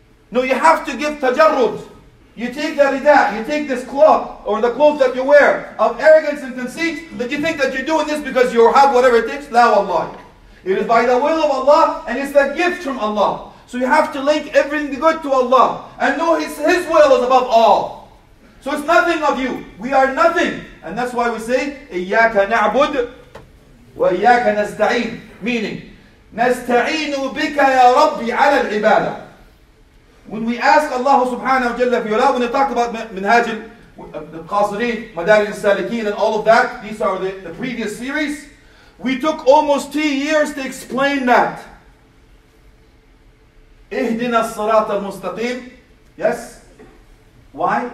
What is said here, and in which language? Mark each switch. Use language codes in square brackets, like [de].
[en] No, you have to give tajarrud. You take the rida, you take this cloth or the clothes that you wear of arrogance and conceit, that you think that you're doing this because you have whatever it takes. La wallahi, it is by the will of Allah and it's the gift from Allah. So you have to link everything good to Allah and know His will is above all. So it's nothing of you. We are nothing. And that's why we say, [ar] إِيَّاكَ نَعْبُدْ وَإِيَّاكَ نَسْتَعِينَ, [en] meaning, [ar] نَسْتَعِينُ بِكَ يَا رَبِّ عَلَى الْعِبَادَةِ. [en] When we ask Allah subhanahu wa jalla fi ula, when they talk about Minhaj al-Qasirin, Madarij al-Salikin and all of that, these are the previous series, we took almost 2 years to explain that. [ar] إهدنا الصراط المستقيم. [en] Yes? Why?